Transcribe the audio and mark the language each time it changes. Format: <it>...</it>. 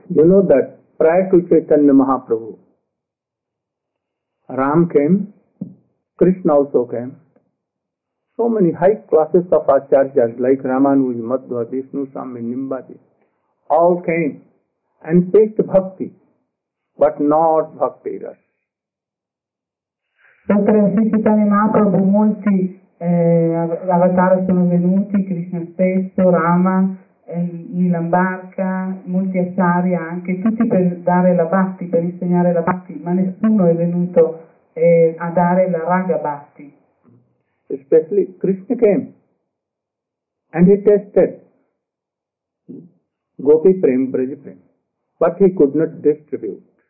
<en>You know that prior to Chaitanya Mahaprabhu, Ram came, Krishna also came. So many high classes of acharyas like Ramanuja, Madhva, Vishnu, Swami, Nimbati, all came and preached bhakti, but not bhakti rasa.</en> <it>Dopo Sri Chaitanya Mahaprabhu, molti avatar sono venuti, Krishna stesso, Rama, Nilambarka, molti acciari anche, tutti per dare la bhakti, per insegnare la bhakti, ma nessuno è venuto a dare la raga bhakti.</it> <en>Especially Krishna came and he tested Gopi Prem, Braj Prem, but he could not distribute.</en>